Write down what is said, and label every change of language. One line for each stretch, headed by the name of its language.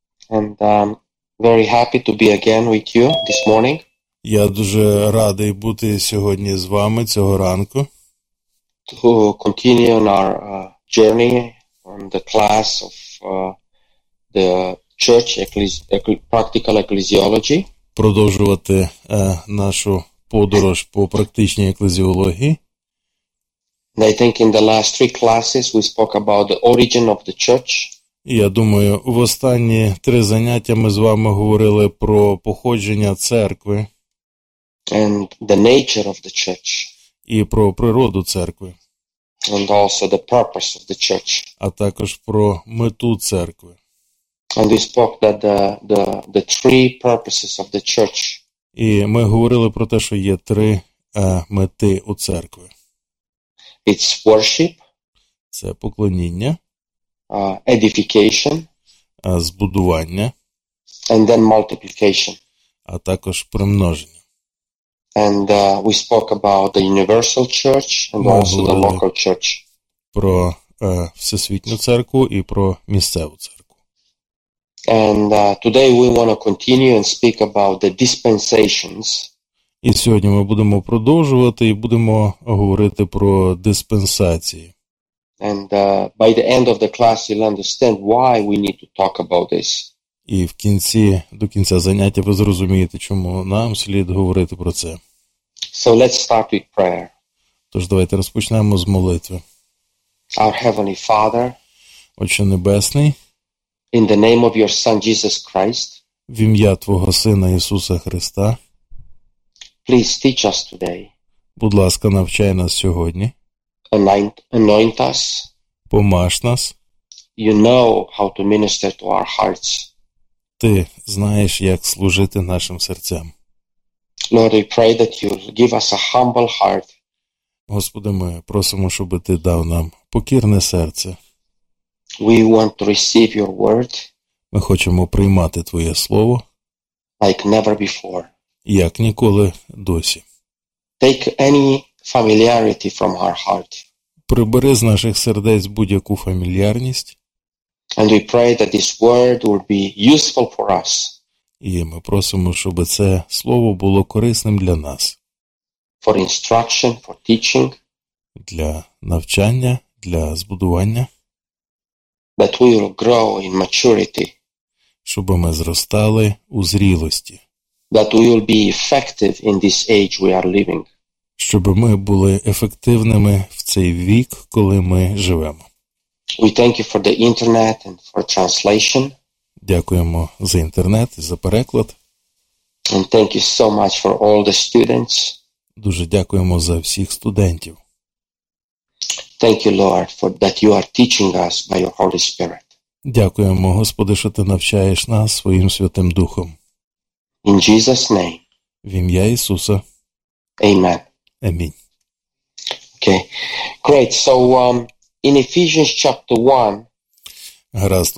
English: And very happy to be again with you this morning.
Ukrainian: Я дуже радий бути сьогодні з вами цього ранку.
English: To continue on our journey on the class of the church practical ecclesiology.
Ukrainian: Продовжувати нашу подорож по практичній еклезіології.
English: I think in the last three classes we spoke about the origin of the church.
Ukrainian: Я думаю, в останні три заняття ми з вами говорили про походження церкви.
English: And the nature of the church.
Ukrainian: І про природу церкви.
English: And also the purpose of the church.
Ukrainian: А також про мету церкви.
English: And we spoke that the three purposes of the church.
Ukrainian: І ми говорили про те, що є три мети у церкві.
English: It's worship.
Ukrainian: Це поклоніння.
English: Edification.
Ukrainian: Збудування.
English: And then multiplication.
Ukrainian: А також примноження.
English: And we spoke about the universal church and
Ukrainian: ми
English: also the local church.
Ukrainian: Про всесвітню церкву і про місцеву церкву.
English: And today we want to continue and speak about the dispensations.
Ukrainian: І сьогодні ми будемо продовжувати і будемо говорити про диспенсації.
English: And by the end of the class you'll understand why we need to talk about this.
Ukrainian: І в кінці, до кінця заняття ви зрозумієте, чому нам слід говорити про це.
English: So let's start with prayer.
Ukrainian: Тож давайте розпочнемо з молитви.
English: Our Heavenly Father,
Ukrainian: Отче Небесний,
English: in the name of your Son Jesus Christ,
Ukrainian: в ім'я Твого Сина Ісуса Христа,
English: please teach us today,
Ukrainian: будь ласка, навчай нас сьогодні,
English: anoint us,
Ukrainian: помаж нас,
English: you know how to minister to our hearts,
Ukrainian: ти знаєш, як служити нашим серцям.
English: Lord, we pray that you give us a humble heart.
Ukrainian: Господи, ми просимо, щоб ти дав нам покірне серце.
English: We want to receive your word.
Ukrainian: Ми хочемо приймати твоє слово.
English: Like never before.
Ukrainian: Як ніколи досі.
English: Take any familiarity from our heart.
Ukrainian: Прибери з наших сердець будь-яку фамільярність.
English: And we pray that this word will be useful for us.
Ukrainian: І ми просимо, щоб це слово було корисним для нас.
English: For instruction, for teaching.
Ukrainian: Для навчання, для збудування.
English: That we will grow in maturity.
Ukrainian: Щоб ми зростали у зрілості.
English: That we will be effective in this age we are living.
Ukrainian: Щоб ми були ефективними в цей вік, коли ми живемо.
English: We thank you for the internet and for translation.
Ukrainian: Дякуємо за інтернет і за переклад.
English: And thank you so much for all the students.
Ukrainian: Дуже дякуємо за всіх студентів.
English: Thank you, Lord, for that you are teaching us by your Holy Spirit.
Ukrainian: Дякуємо, Господи, що ти навчаєш нас своїм Святим Духом.
English: In Jesus' name.
Ukrainian: В ім'я Ісуса.
English: Amen.
Ukrainian: Амінь.
English: Okay. Great. So, in Ephesians chapter 1.
Ukrainian: Гаразд.